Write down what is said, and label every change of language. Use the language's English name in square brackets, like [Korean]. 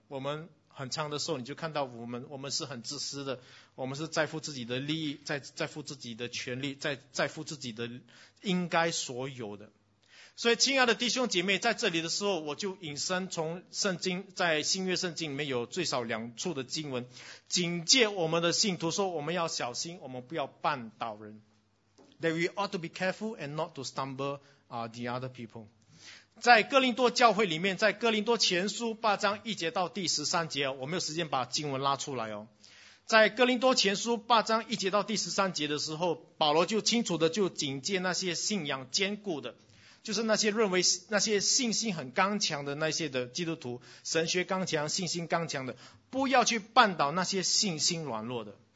[Chinese] 我们很长的时候你就看到我们是很自私的，我们是在乎自己的利益，在乎自己的权利，在乎自己的应该所有的。所以亲爱的弟兄姐妹，在这里的时候我就引申从圣经，在新约圣经里面有最少两处的经文警戒我们的信徒，说我们要小心，我们不要绊倒人。 [English] That we ought to be careful and not to stumble the other people。 [Chinese] 在哥林多教会里面，在哥林多前书八章一节到第十三节，我没有时间把经文拉出来哦。在哥林多前书八章一节到第十三节的时候，保罗就清楚的就警戒那些信仰坚固的，就是那些认为那些信心很刚强的那些的基督徒，神学刚强，信心刚强的，不要去绊倒那些信心软弱的。